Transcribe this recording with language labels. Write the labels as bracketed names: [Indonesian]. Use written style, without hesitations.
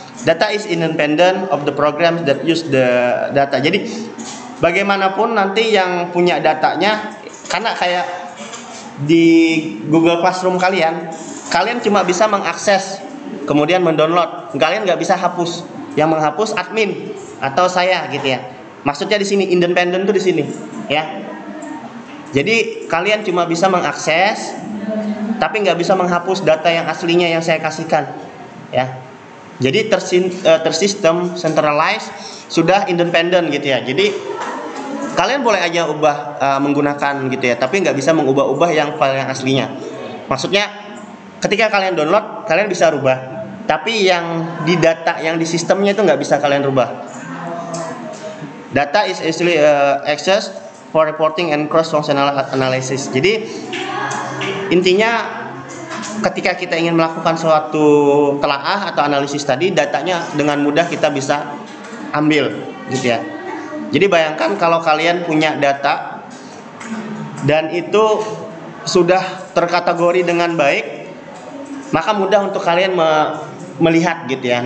[English] Data is independent of the programs that use the data. [Indonesian] Jadi bagaimanapun nanti yang punya datanya, karena kayak di Google Classroom kalian, kalian cuma bisa mengakses kemudian mendownload. Kalian nggak bisa hapus. Yang menghapus admin atau saya gitu ya. Maksudnya di sini independent tuh di sini, ya. Jadi kalian cuma bisa mengakses tapi nggak bisa menghapus data yang aslinya yang saya kasihkan, ya. Jadi tersistem centralized sudah independent gitu ya. Jadi kalian boleh aja ubah menggunakan gitu ya, tapi nggak bisa mengubah-ubah yang file yang aslinya. Maksudnya ketika kalian download kalian bisa rubah, tapi yang di data yang di sistemnya itu nggak bisa kalian rubah. [English] Data is easily accessed for reporting and cross-functional analysis. [Indonesian] Jadi intinya ketika kita ingin melakukan suatu telaah atau analisis tadi, datanya dengan mudah kita bisa ambil gitu ya. Jadi bayangkan kalau kalian punya data dan itu sudah terkategori dengan baik, maka mudah untuk kalian melihat gitu ya.